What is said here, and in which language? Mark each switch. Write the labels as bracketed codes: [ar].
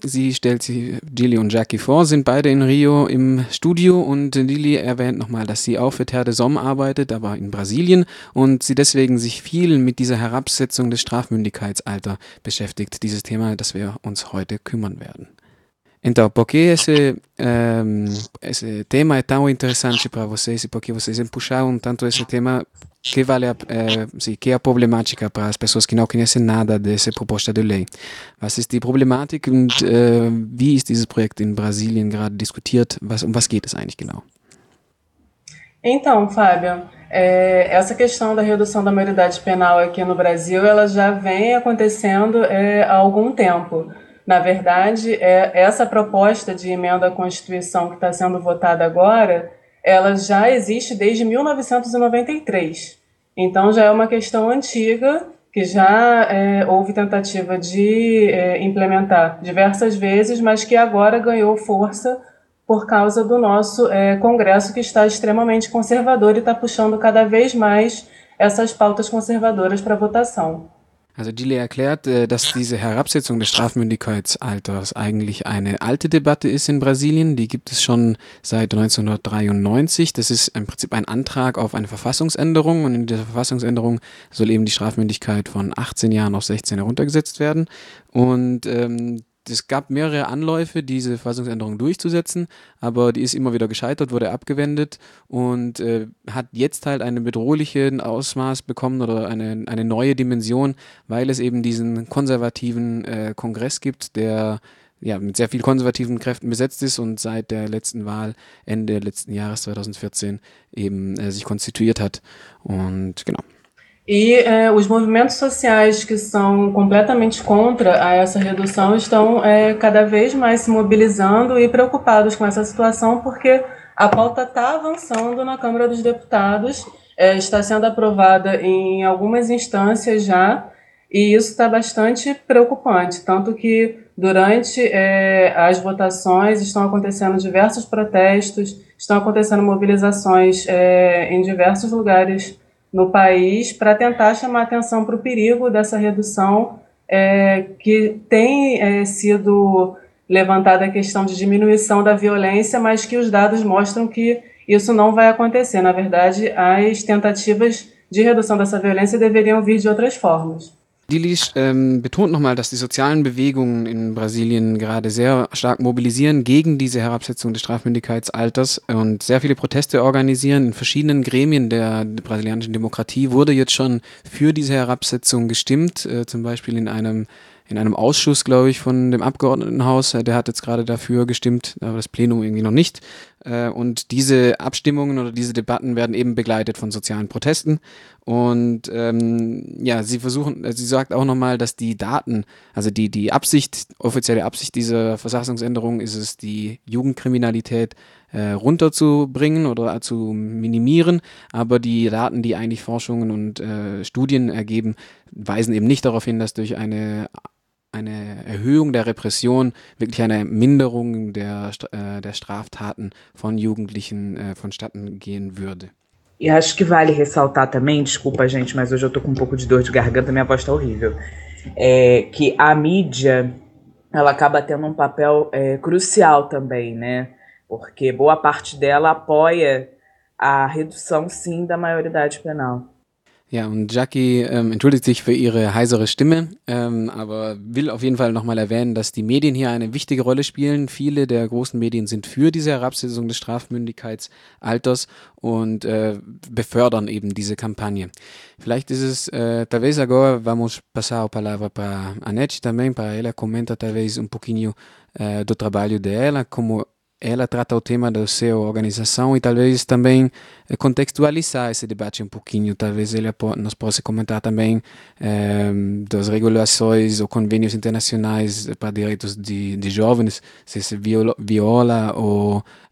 [de] Sie stellt sich, Dili und Jackie, vor, sind beide in Rio im Studio, und Dili erwähnt nochmal, dass sie auch für Terre des Hommes arbeitet, aber in Brasilien, und sie deswegen sich viel mit dieser Herabsetzung des Strafmündigkeitsalters beschäftigt, dieses Thema, das wir uns heute kümmern werden. [pt] Então, por que esse tema é tão interessante para vocês e por que vocês puxaram tanto esse tema? Que vale que é a problemática para as pessoas que não conhecem nada dessa proposta de lei? [de] Was ist die Problematik und wie ist dieses Projekt in Brasilien gerade diskutiert? Um was geht es eigentlich genau? [pt] Então, Fábio, essa questão da redução da maioridade penal aqui no Brasil, ela já vem acontecendo há algum tempo. Na verdade, essa proposta de emenda à Constituição que está sendo votada agora, ela já existe desde 1993. Então, já é uma questão antiga, que já houve tentativa de implementar diversas vezes, mas que agora ganhou força por causa do nosso Congresso, que está extremamente conservador e está puxando cada vez mais essas pautas conservadoras para votação. [de] Also Dili erklärt, dass diese Herabsetzung des Strafmündigkeitsalters eigentlich eine alte Debatte ist in Brasilien. Die gibt es schon seit 1993. Das ist im Prinzip ein Antrag auf eine Verfassungsänderung. Und in dieser Verfassungsänderung soll eben die Strafmündigkeit von 18 Jahren auf 16 heruntergesetzt werden. Und es gab mehrere Anläufe, diese Verfassungsänderung durchzusetzen, aber die ist immer wieder gescheitert, wurde abgewendet und hat jetzt halt einen bedrohlichen Ausmaß bekommen oder eine neue Dimension, weil es eben diesen konservativen Kongress gibt, der ja mit sehr vielen konservativen Kräften besetzt ist und seit der letzten Wahl Ende letzten Jahres 2014 eben sich konstituiert hat. Und genau. [pt] E os movimentos sociais que são completamente contra essa redução estão cada vez mais se mobilizando e preocupados com essa situação, porque a pauta está avançando na Câmara dos Deputados, está sendo aprovada em algumas instâncias já, e isso está bastante preocupante, tanto que durante as votações estão acontecendo diversos protestos, estão acontecendo mobilizações em diversos lugares no país, para tentar chamar atenção para o perigo dessa redução, que tem sido levantada a questão de diminuição da violência, mas que os dados mostram que isso não vai acontecer. Na verdade, as tentativas de redução dessa violência deveriam vir de outras formas. [de] Dilis betont nochmal, dass die sozialen Bewegungen in Brasilien gerade sehr stark mobilisieren gegen diese Herabsetzung des Strafmündigkeitsalters und sehr viele Proteste organisieren. In verschiedenen Gremien der brasilianischen Demokratie wurde jetzt schon für diese Herabsetzung gestimmt, zum Beispiel in einem Ausschuss, glaube ich, von dem Abgeordnetenhaus. Der hat jetzt gerade dafür gestimmt, aber das Plenum irgendwie noch nicht. Und diese Abstimmungen oder diese Debatten werden eben begleitet von sozialen Protesten. Und sie sagt auch nochmal, dass die Daten, also die Absicht, offizielle Absicht dieser Verfassungsänderung ist es, die Jugendkriminalität runterzubringen oder zu minimieren. Aber die Daten, die eigentlich Forschungen und Studien ergeben, weisen eben nicht darauf hin, dass durch eine Erhöhung der Repression wirklich eine Minderung der Straftaten von Jugendlichen vonstatten gehen würde. [pt] E acho que vale ressaltar também, desculpa gente, mas hoje eu tô com um pouco de dor de garganta, minha voz tá horrível, que a mídia, ela acaba tendo um papel crucial também, né? Porque boa parte dela apoia a redução, sim, da maioridade penal. [de] Ja, und Jackie entschuldigt sich für ihre heisere Stimme, aber will auf jeden Fall nochmal erwähnen, dass die Medien hier eine wichtige Rolle spielen. Viele der großen Medien sind für diese Herabsetzung des Strafmündigkeitsalters und befördern eben diese Kampagne. Vielleicht ist es, [pt] talvez agora vamos passar a palavra para a Anete também, para ela comentar talvez um pouquinho do trabalho dela, como ela trata o tema da sua organização e talvez também contextualizar esse debate um pouquinho. Talvez ela nos possa comentar também das regulações ou convênios internacionais para direitos de jovens, se isso viola ou...